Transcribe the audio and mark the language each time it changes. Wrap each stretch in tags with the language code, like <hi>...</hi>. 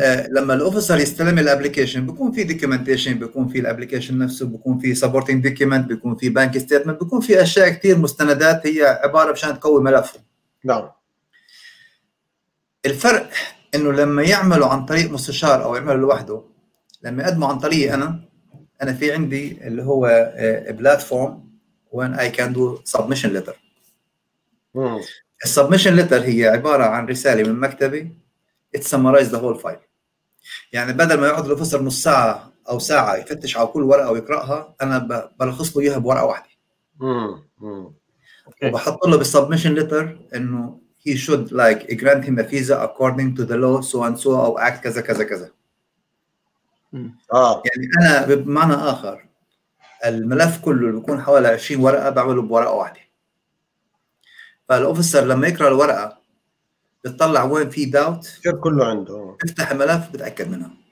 <ar>لما الأوفيسر يستلم الابلكيشن بيكون في documentation، بيكون في الابلكيشن نفسه، بيكون في supporting document، بيكون في bank statement، بيكون في أشياء كتير مستندات هي عبارة بشان تقوي ملفه. نعم. الفرق انه لما يعملوا عن طريق مستشار او يعملوا لوحده، لما يقدموا عن طريق انا في عندي اللي هو platform when I can do submission letter.</ar> <en>Submission letter هي عبارة عن رسالة من مكتبي it summarize the whole file.</en> <ar>يعني بدل ما يقعد الأوفيسر نص ساعة أو ساعة يفتش على كل ورقة ويقرأها، أنا بلخص له إياها بورقة واحدة.</ar> <en>Okay. وبحط له بالsubmission letter إنه he should like grant him a visa according to the law so and so أو act كذا كذا كذا.</en> <ar>يعني أنا بمعنى آخر الملف كله اللي بيكون حوالي 20 ورقه بعمله بورقه واحده. فالأوفيسر لما يقرا الورقه بتطلع وين في داوت، كثير كله عنده، افتح الملف بتاكد منها.</ar>